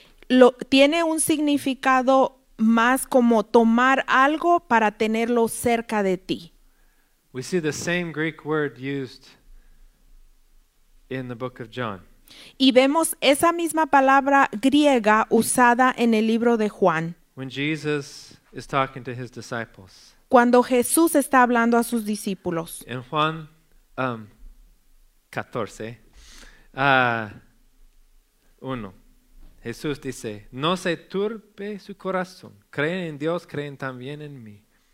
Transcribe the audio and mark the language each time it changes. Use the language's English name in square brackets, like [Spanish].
[Spanish] Lo tiene un significado más como tomar algo para tenerlo cerca de ti. [English] We see the same Greek word used in the book of John. [Spanish] Y vemos esa misma palabra griega usada en el libro de Juan. [English] When Jesus is talking to his disciples. [Spanish] Cuando Jesús está hablando a sus discípulos. En Juan 14, 1, Jesús dice, no se turbe su corazón, creen en Dios, creen también en mí.